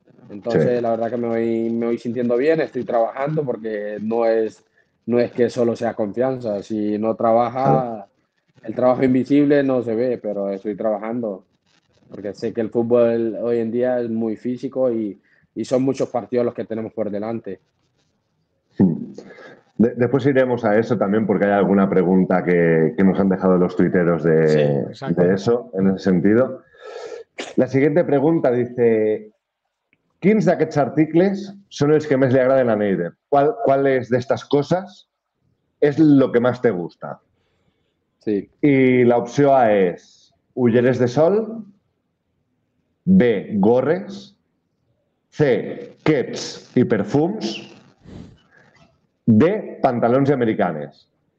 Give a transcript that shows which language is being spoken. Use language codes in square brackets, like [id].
[es] Entonces, sí. La verdad que me voy sintiendo bien, estoy trabajando porque no es que solo sea confianza, si no trabaja, el trabajo invisible no se ve, pero estoy trabajando porque sé que el fútbol hoy en día es muy físico y son muchos partidos los que tenemos por delante. Después iremos a eso también porque hay alguna pregunta que nos han dejado los tuiteros de eso, en ese sentido. La siguiente pregunta dice, [ca] ¿quins d'aquests articles són els que més li agraden a Neide? [es] ¿Cuál es de estas cosas es lo que más te gusta? Sí. Y la opción A es [ca] ulleres de sol, [es] B, [ca] gorres, [es] C, caps y perfums, de pantalones americanos.